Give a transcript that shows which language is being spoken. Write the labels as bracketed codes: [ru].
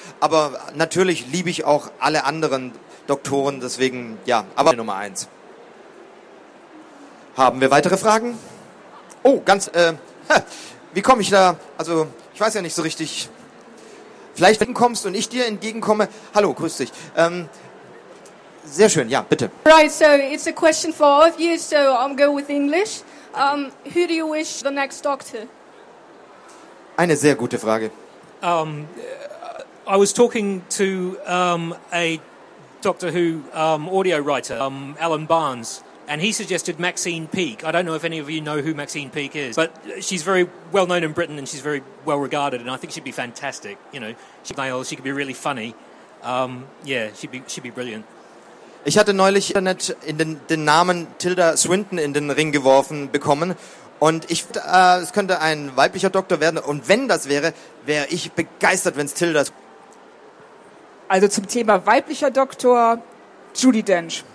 [de] Aber natürlich liebe ich auch alle anderen Doktoren, deswegen, ja, aber Nummer 1. Haben wir weitere Fragen? Oh, ganz, wie komme ich da? Also, ich weiß ja nicht so richtig. Vielleicht, wenn du kommst und ich dir entgegenkomme. Hallo, grüß dich. Sehr schön, ja, bitte. [en] Right, so it's a question for all of you, so I'm going with English. Who do you wish the next doctor? [de] Eine sehr gute Frage. [en] I was talking to a Doctor Who audio writer, Alan Barnes. And he suggested Maxine Peake. I don't know if any of you know who Maxine Peake is, but she's very well known in Britain and she's very well regarded. And I think she'd be fantastic. You know, she could be really funny. She'd be brilliant. [de] Ich hatte neulich Internet in den Namen Tilda Swinton in den Ring geworfen bekommen. Und ich, es könnte ein weiblicher Doktor werden. Und wenn das wäre, wäre ich begeistert, wenn es Tilda. Also zum Thema weiblicher Doktor, Judy Dench.